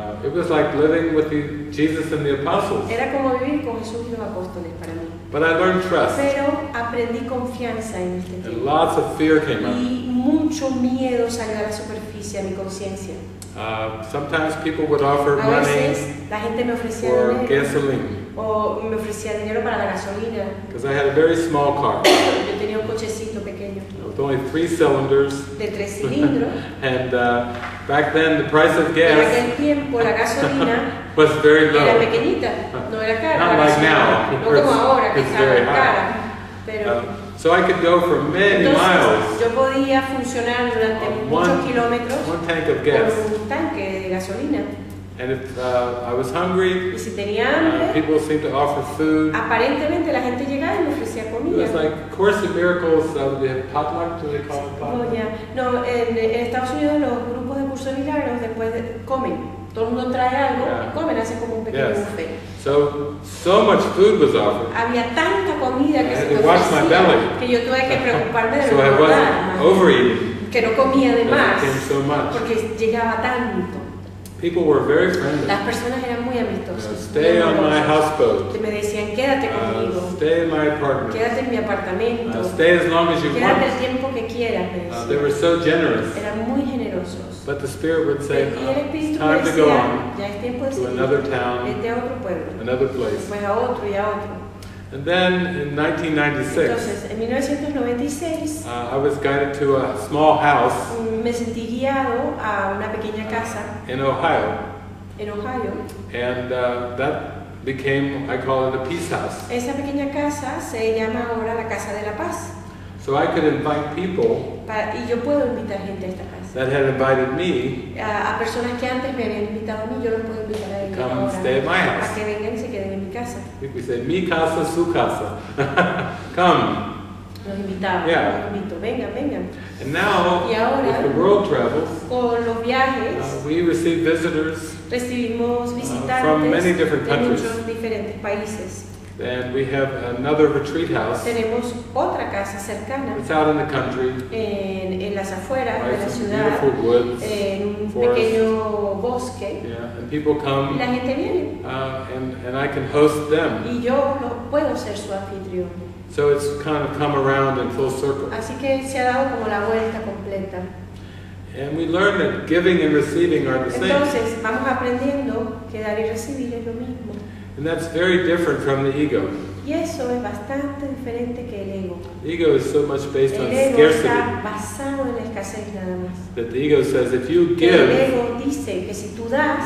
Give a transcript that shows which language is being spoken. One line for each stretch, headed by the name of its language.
English: It was like living with the Jesus and the apostles.
Spanish: Era como vivir con Jesús y los apóstoles para mí.
English: But I learned trust.
Spanish: Pero aprendí confianza en este tiempo.
English: And lots of fear came up.
Spanish: Y mucho miedo salió a la superficie, a mi conciencia.
English: Sometimes people would offer
Spanish: a veces,
English: money
Spanish: la gente me ofrecía
English: or
Spanish: dinero,
English: gasoline.
Spanish: O me ofrecía dinero para la gasolina.
English: Because I had a very small car.
Spanish: Yo tenía un cochecito pequeño.
English: With only 3 cylinders.
Spanish: De 3 cilindros.
English: And back then the price of gas
Spanish: en aquel tiempo, la gasolina
English: was very low.
Spanish: Era pequeñita, no era cara.
English: Not like now.
Spanish: No como ahora, que está cara.
English: High.
Spanish: Pero,
English: so I could go for many
Spanish: entonces,
English: miles.
Spanish: Yo podía funcionar durante muchos kilómetros.
English: One tank of gas.
Spanish: Con un tanque de gasolina.
English: And if I was hungry,
Spanish: y si tenía hambre,
English: people seemed to offer food.
Spanish: Aparentemente la gente llegaba y me ofrecía comida.
English: It was like Course in Miracles, they have potluck, do they call it potluck? Oh, yeah.
Spanish: No, en Estados Unidos los grupos de Curso de Milagros después de, comen. Todo el mundo trae algo y comen, hacen como un pequeño
English: yes
Spanish: buffet.
English: So much food was offered.
Spanish: Había tanta comida que se ofrecía que yo tuve que preocuparme de
English: so
Spanish: lo que
English: so I wasn't overeating.
Spanish: Que no comía de más.
English: It came so much.
Spanish: Porque llegaba tanto.
English: People were very friendly.
Spanish: Las personas eran muy amistosas.
English: Stay on my houseboat.
Spanish: Me decían, quédate conmigo.
English: Stay in my apartment.
Spanish: Quédate en mi apartamento.
English: Stay as long as you
Spanish: quédate
English: want.
Spanish: Quédate el tiempo que quieras.
English: They were so generous.
Spanish: Eran muy generosos.
English: But the Spirit would say,
Spanish: y el Espíritu
English: time
Spanish: decía,
English: to go on
Spanish: ya es tiempo de
English: to another town,
Spanish: este otro pueblo,
English: another place.
Spanish: Pues a otro y a otro.
English: And then in 1996,
Spanish: entonces, en 1996
English: I was guided to a small house
Spanish: me sentí guiado a una pequeña casa
English: in Ohio.
Spanish: En Ohio.
English: And that became, I call it a peace house.
Spanish: Esa pequeña casa se llama ahora la Casa de la Paz.
English: So I could invite people
Spanish: y yo puedo invitar gente a esta casa
English: that had invited me
Spanish: a personas que antes me habían invitado a mí, yo los puedo invitar a ellos.
English: Come
Spanish: ahora,
English: stay at my house.
Spanish: A que vengan, se queden en mi casa.
English: We say,
Spanish: mi casa, su casa.
English: Come.
Spanish: Los invitaba.
English: Yeah.
Spanish: Los invito. Venga, venga.
English: And now,
Spanish: y ahora,
English: with the world travels,
Spanish: con los viajes,
English: we receive visitors
Spanish: recibimos visitantes
English: from many different countries.
Spanish: De muchos diferentes países.
English: And we have another retreat house.
Spanish: Tenemos otra casa cercana.
English: It's out in the country.
Spanish: En las afueras de la ciudad.
English: Beautiful woods.
Spanish: En un pequeño bosque.
English: Yeah, and people come.
Spanish: La gente viene.
English: And I can host them.
Spanish: Y yo no puedo ser su anfitrión.
English: So it's kind of come around in full circle.
Spanish: Así que se ha dado como la vuelta completa.
English: And we learn that giving and receiving are the same.
Spanish: Entonces vamos aprendiendo que dar y recibir es lo mismo.
English: And that's very different from the ego.
Spanish: Y eso es bastante diferente que el ego.
English: The ego is so much based
Spanish: el
English: on scarcity.
Spanish: Está basado en la escasez nada más.
English: That the ego says, if you give,
Spanish: el ego dice que si tú das,